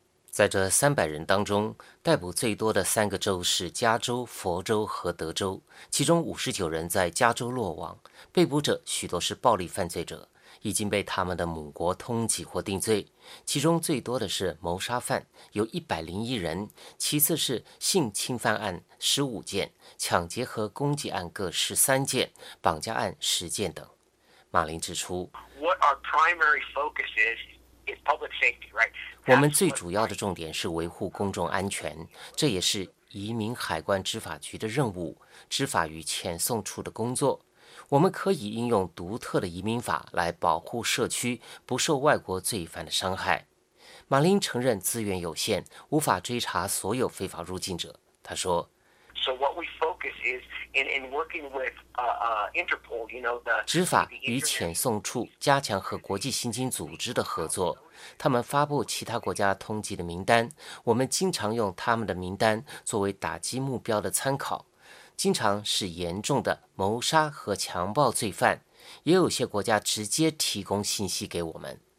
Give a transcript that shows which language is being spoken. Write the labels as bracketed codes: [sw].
[zh] 在这300人当中，逮捕最多的3个州是加州、佛州和德州，其中59人在加州落网，被捕者许多是暴力犯罪者，已经被他们的母国通缉或定罪，其中最多的是谋杀犯，有101人，其次是性侵犯案15件，抢劫和攻击案各13件，绑架案10件等。马林指出， [en] What our primary focus is public safety, right? [zh] 我们最主要的重点是维护公众安全，这也是移民海关执法局的任务，执法与遣送处的工作。我们可以应用独特的移民法来保护社区不受外国罪犯的伤害。马林承认资源有限，无法追查所有非法入境者。他说 [en] ：“So what we focus is in working with Interpol, you know, the [zh] 执法与遣送处加强和国际刑警组织的合作。他们发布其他国家通缉的名单，我们经常用他们的名单作为打击目标的参考。” 经常是严重的谋杀和强暴罪犯，也有些国家直接提供信息给我们。